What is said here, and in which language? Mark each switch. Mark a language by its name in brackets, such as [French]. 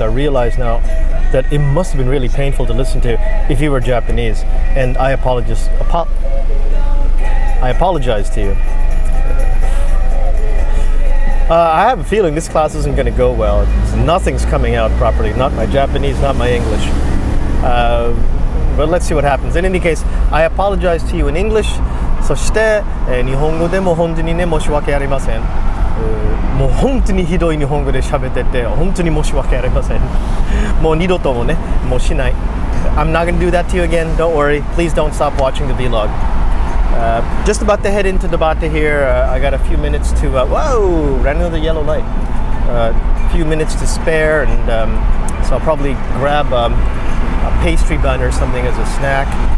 [English] I realize now that it must have been really painful to listen to if you were Japanese, and I apologize to you. I have a feeling this class isn't going to go well. Nothing's coming out properly. Not my Japanese, not my English. But let's see what happens. In any case, I apologize to you in English. [Japanese] そして、日本語でも本当にね、申し訳ありません。もう本当にひどい日本語で喋ってて、本当に申し訳ありません。もう二度ともね、もうしない。 [English] I'm not going to do that to you again. Don't worry. Please don't stop watching the vlog. Just about to head into the Bata here.、I got a few minutes to... ran into the yellow light. A few minutes to spare. And、so I'll probably grab、a pastry bun or something as a snack.